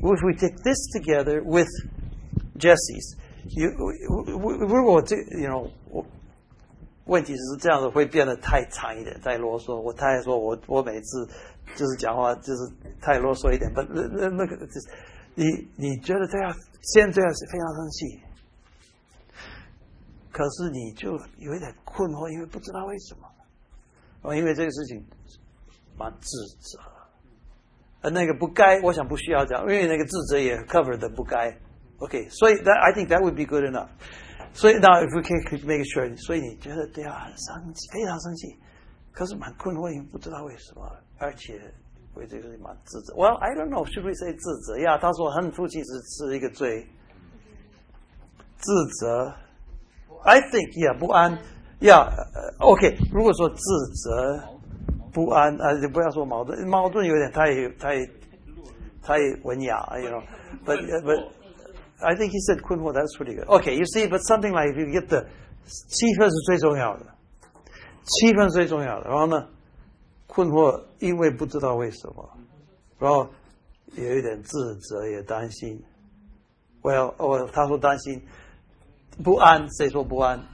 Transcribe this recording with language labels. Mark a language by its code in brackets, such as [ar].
[en] If we take this together with Jesse's, you know, [zh] 问题是这样子会变得太长一点，太啰嗦。我太说我每次就是讲话就是太啰嗦一点。 [en] But look at this. [zh] 你觉得这样现在是非常生气，可是你就有一点困惑，因为不知道为什么。因为这个事情蛮自责，而那个不该，我想不需要讲，因为那个自责也 cover 的不该。 [en] OK, [zh] 所以 [en] that I think that would be good enough. [zh] 所以 [en] now if we can make sure, [zh] 所以你觉得对啊，很生气，非常生气，可是蛮困惑，因为不知道为什么，而且为这个事情蛮自责。 [en] Well, I don't know, should we say [zh] 自责？ Yeah, 他说恨父亲是一个罪，自责。 [en] I think, yeah, [zh] 不安。 Yeah, OK, 如果说自责不安就不要说矛盾，矛盾有点太文雅， [en] you know, but I think he said [zh] 困惑 [en] that's pretty good. OK, you see, but something like if you get the [zh] 气氛是最重要的，气氛最重要的，然后呢困惑因为不知道为什么，然后有一点自责也担心， well, 他说担心不安，谁说不安？